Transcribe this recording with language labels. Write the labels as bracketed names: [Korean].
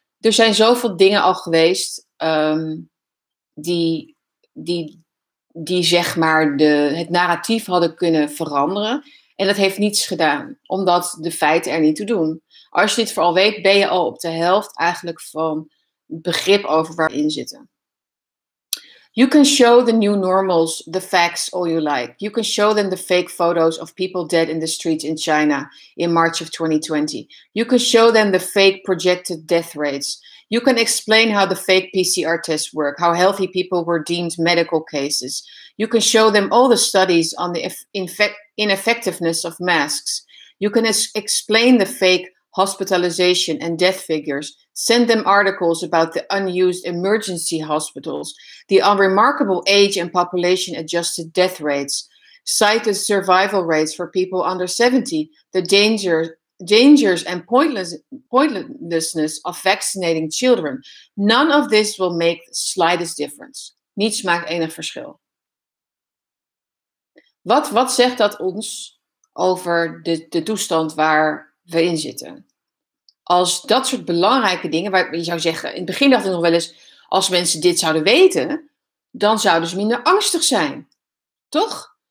[Dutch] Er zijn zoveel dingen al geweest die zeg maar het narratief hadden kunnen veranderen. En dat heeft niets gedaan, omdat de feiten er niet toe doen. Als je dit vooral weet, ben je al op de helft eigenlijk van begrip over waar we in zitten. [English] You can show the new normals the facts all you like. You can show them the fake photos of people dead in the streets in China in March of 2020. You can show them the fake projected death rates. You can explain how the fake PCR tests work, how healthy people were deemed medical cases. You can show them all the studies on the ineffectiveness of masks. You can explain the fake hospitalization and death figures. Send them articles about the unused emergency hospitals, the unremarkable age and population adjusted death rates, cite the survival rates for people under 70, the dangers and pointlessness of vaccinating children. None of this will make the slightest difference. [Dutch] Niets maakt enig verschil. Wat zegt dat ons over de toestand waar we in zitten? Als dat soort belangrijke dingen, waar je zou zeggen, in het begin dacht ik nog wel eens, als mensen dit zouden weten, dan zouden ze minder angstig zijn. Toch?